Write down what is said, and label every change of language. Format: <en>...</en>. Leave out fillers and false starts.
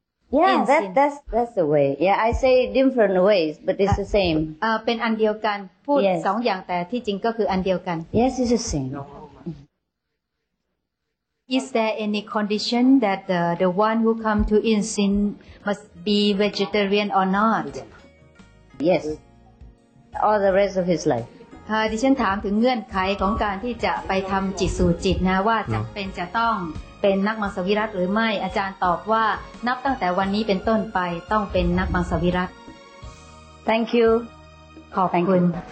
<en>Yeah that's the way yeah I say different ways but it's the same</en> <th>เป็นอันเดียวกันพูด2 อย่างแต่ที่จริงก็คืออันเดียวกัน</th> <en>Yes it's the same no. Is there any condition that the one who come to Insin must be vegetarian or not? Yes. All the rest of his life.</en> <th>ดิฉันถามถึงเงื่อนไขของการที่จะไปทำจิตสู่จิตนะว่าจะเป็นจะต้องเป็นนักมังสวิรัติหรือไม่อาจารย์ตอบว่านับตั้งแต่วันนี้เป็นต้นไปต้องเป็นนักมังสวิรัติ</th> <en>Thank you.</en> <th>ขอบคุณ</th>